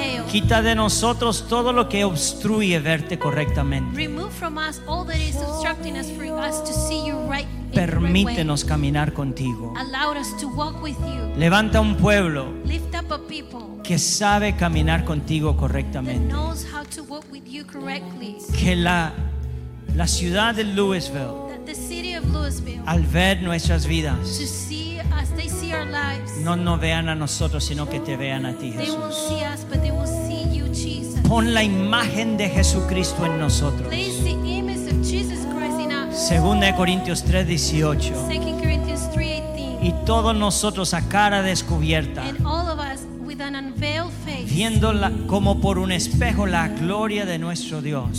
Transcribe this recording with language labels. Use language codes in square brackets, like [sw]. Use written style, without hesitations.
[es] Quita de nosotros todo lo que obstruye verte correctamente. [en] Remove from us all that is obstructing us for us to see you right. [es] Permítenos [en] right [es] caminar contigo. [en] Allow us to walk with you. [es] Levanta un pueblo. [en] Lift up a people. [es] Que sabe caminar contigo correctamente. [en] That knows how to walk with you correctly. [es] Que la ciudad de Louisville. [en] That the city of Louisville. [es] Al ver nuestras vidas. [en] To see as they see our lives. [es] No nos vean a nosotros, sino que te vean a ti, Jesús. [en] They will see us, but they will see you, Jesus. [es] Pon la imagen de Jesucristo en nosotros. [en] Place the image of Jesus Christ in us. [es] 2 Corintios 3:18. Y todos nosotros a cara descubierta. [en] And all of us with an unveiled face. [es] Viendo como por un espejo la gloria de nuestro Dios.